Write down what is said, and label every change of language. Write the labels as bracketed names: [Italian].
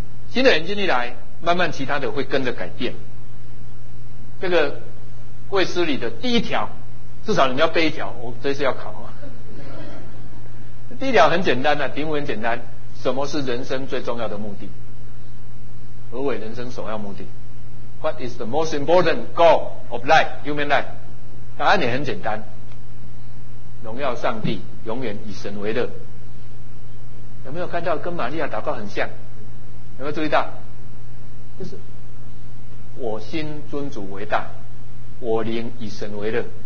[Chinese] 新的眼睛一来，慢慢其他的会跟着改变。这个卫斯理的第一条，至少你们要背一条，我这次要考啊。第一条很简单啊，题目很简单，什么是人生最重要的目的？何为人生首要目的？ [English] What is the most important goal of life, human life? [Chinese] 答案也很简单，荣耀上帝，永远以神为乐。有没有看到跟玛利亚祷告很像？有没有注意到？就是我心尊主为大，我灵以神为乐。